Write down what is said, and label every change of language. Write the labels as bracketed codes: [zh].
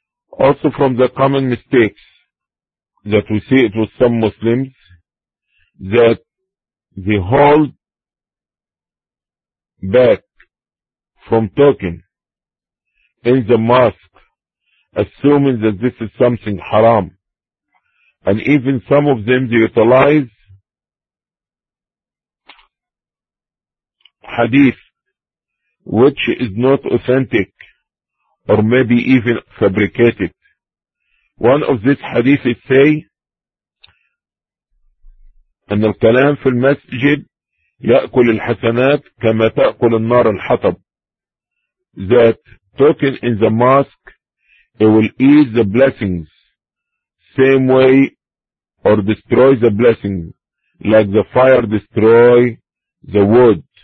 [en] Also from the common mistakes that we see it with some Muslims, that they hold back from talking in the mosque, assuming that this is something haram. And even some of them, they utilize hadith which is not authentic or maybe even fabricated. One of these hadiths say, [ar] أن الكلام في المسجد يأكل الحسنات كما تأكل النار الحطب. [en] That talking in the mosque, it will eat the blessings same way or destroy the blessings like the fire destroy the wood.